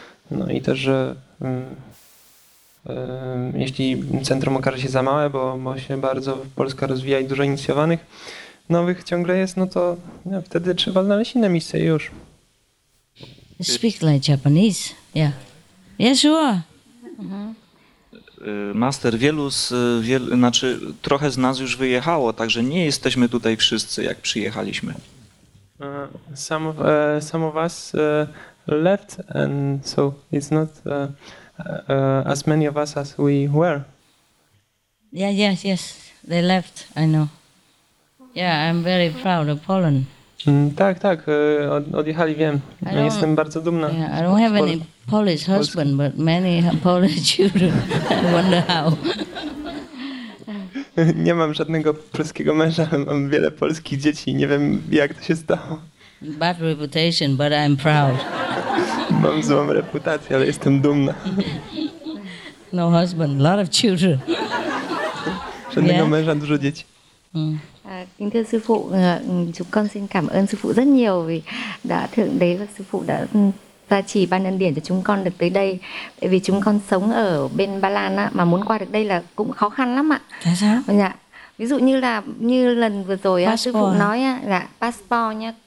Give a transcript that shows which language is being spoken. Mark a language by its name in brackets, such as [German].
[Polish] No i też, że jeśli centrum okaże się za małe, bo się bardzo Polska rozwija i dużo inicjowanych nowych ciągle jest, no to no, wtedy trzeba znaleźć inne miejsce już. [English] Speak like Japanese. Yeah. Yes, sure. [Polish] Master, trochę z nas już wyjechało, także nie jesteśmy tutaj wszyscy, jak przyjechaliśmy. [English] Some of us left, and so it's not as many of us as we were. Yeah, yes, yes, they left, I know. Yeah, I'm very proud of Poland. [Polish] Tak, odjechali, wiem. Jestem bardzo dumna. [English] Yeah, I don't have any Polish husband, but many Polish children. I wonder how. [Polish] Nie mam żadnego polskiego męża, mam wiele polskich dzieci. Nie wiem, jak to się stało. [English] Bad reputation, but I'm proud. [Polish] Mam złą reputację, ale jestem dumna. [English] No husband, lot of children. [Polish] Żadnego męża, dużo dzieci. [Vietnamese] Kính thưa sư phụ, chúng con xin cảm ơn sư phụ rất nhiều vì đã thượng đế và sư phụ đã gia trì ban ân điển cho chúng con được tới đây. Tại vì chúng con sống ở bên Ba Lan á, mà muốn qua được đây là cũng khó khăn lắm ạ. Tại sao? Dạ. Ví dụ như là như lần vừa rồi á, sư phụ nói á, dạ, passport nhá.